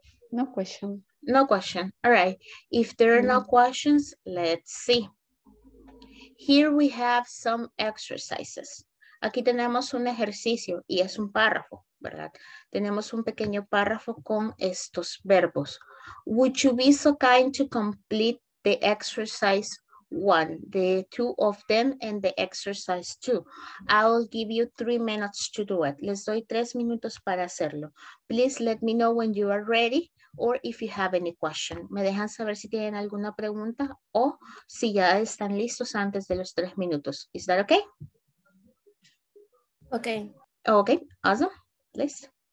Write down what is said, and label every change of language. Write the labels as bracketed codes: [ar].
[en] No question. No question. All right. If there are no questions, let's see. Here we have some exercises. [es] Aquí tenemos un ejercicio y es un párrafo, ¿verdad? Tenemos un pequeño párrafo con estos verbos. [en] Would you be so kind to complete the exercise one, the two of them, and the exercise two. I'll give you 3 minutes to do it. [es] Les doy 3 minutos para hacerlo. [en] Please let me know when you are ready or if you have any question. [es] Me dejan saber si tienen alguna pregunta o si ya están listos antes de los 3 minutos. [en] Is that okay? Okay. Okay, awesome. Please.